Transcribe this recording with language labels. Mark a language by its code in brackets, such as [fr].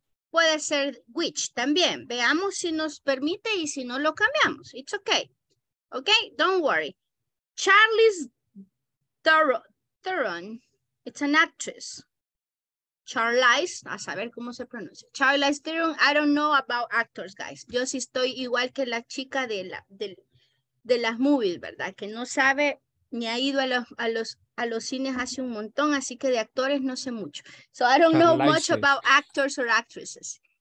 [es] Puede ser which también. Veamos si nos permite y si no lo cambiamos. [en] It's okay. Okay, don't worry. Charlize Theron, it's an actress. [es] Charlize, a saber cómo se pronuncia. [en] Charlize Theron, I don't know about actors, guys. [es] Yo sí estoy igual que la chica de las movies, ¿verdad? Que no sabe ni ha ido a los cines hace un montón, así que de actores no sé mucho. [en] So I don't know much about actors or actresses.